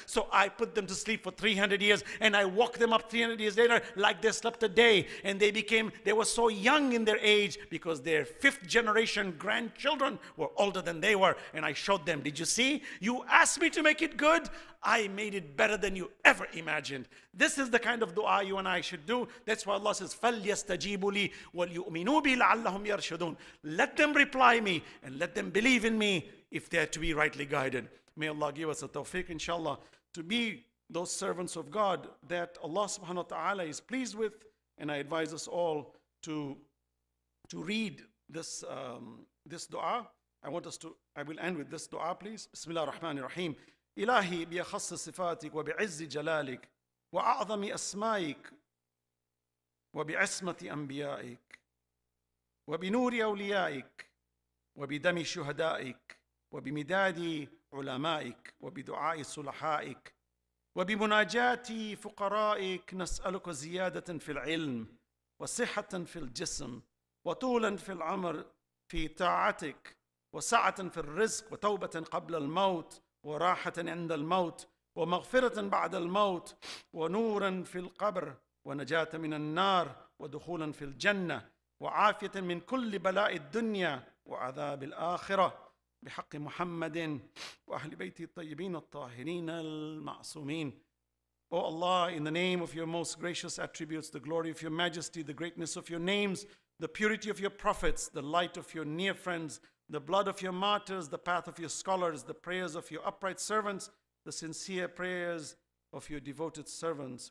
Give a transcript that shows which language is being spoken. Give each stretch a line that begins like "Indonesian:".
English: So I put them to sleep for 300 years and I woke them up 300 years later like they slept a day, and they were so young in their age because their fifth generation grandchildren were older than they were, and I showed them, did you see? You asked me to make it good. I made it better than you ever imagined. This is the kind of dua you and I should do. That's why Allah says,
Arabic: فَلْيَسْتَجِيبُ لِي وَلْيُؤْمِنُوا بِي لَعَلَّهُمْ يَرْشُدُونَ.
English: Let them reply me and let them believe in me if they are to be rightly guided. May Allah give us a tawfiq, inshallah, to be those servants of God that Allah subhanahu wa ta'ala is pleased with. And I advise us all to read this this dua. I will end with this dua, please.
Arabic: Bismillah ar-Rahman ar-Rahim. إلهي بأخص صفاتك وبعز جلالك وأعظم أسمائك وبعصمة أنبيائك وبنور أوليائك وبدم شهدائك وبمداد علمائك وبدعاء صلحائك وبمناجات فقرائك نسألك زيادة في العلم وصحة في الجسم وطولا في العمر في طاعتك وسعة في الرزق وتوبة قبل الموت وراحة عند الموت ومغفرة بعد الموت ونورا في القبر ونجاة من النار ودخولا في الجنة وعافية من كل بلاء الدنيا وعذاب الآخرة بحق محمد وأهل بيته الطيبين الطاهرين المعصومين.
English: O Allah, in the name of your most gracious attributes, the glory of your majesty, the greatness of your names, the purity of your prophets, the light of your near friends, the blood of your martyrs, the path of your scholars, the prayers of your upright servants, the sincere prayers of your devoted servants.